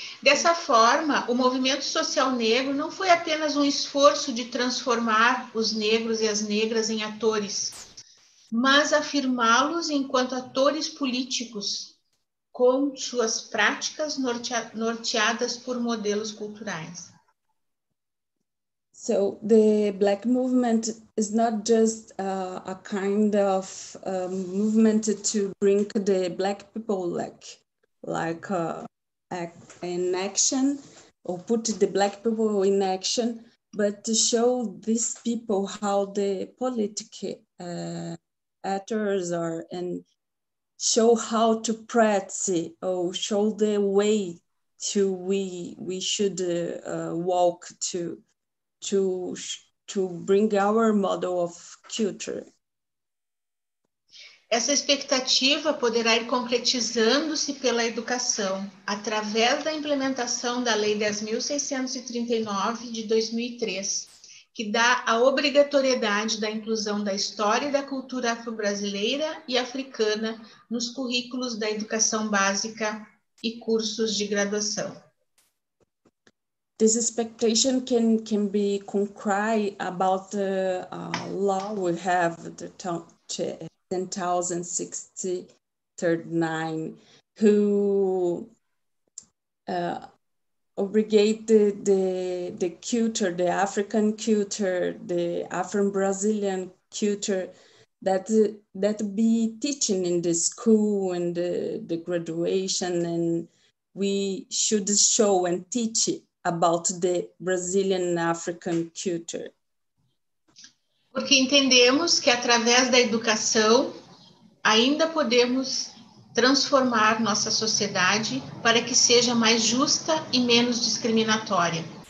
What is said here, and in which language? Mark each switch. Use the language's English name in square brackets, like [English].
[Portuguese] Dessa forma, o movimento social negro não foi apenas um esforço de transformar os negros e as negras em atores, mas afirmá-los enquanto atores políticos, com suas práticas norteadas por modelos culturais. [English] So the Black Movement is not just a kind of movement to bring the Black people in action, or put the Black people in action, but to show these people how the political actors are and show how to practice or show the way to we should walk to bring our model of culture. [Portuguese] Essa expectativa poderá ir concretizando-se pela educação, através da implementação da Lei 10.639 de 2003, que dá a obrigatoriedade da inclusão da história e da cultura afro-brasileira e africana nos currículos da educação básica e cursos de graduação. [English] This expectation can be concrete about the law we have, the 10,639, who obligate the culture, the African culture, the Afro-Brazilian culture, that be teaching in the school and the graduation, and we should show and teach it about the Brazilian African culture. [Portuguese] Porque entendemos que através da educação ainda podemos transformar nossa sociedade para que seja mais justa e menos discriminatória.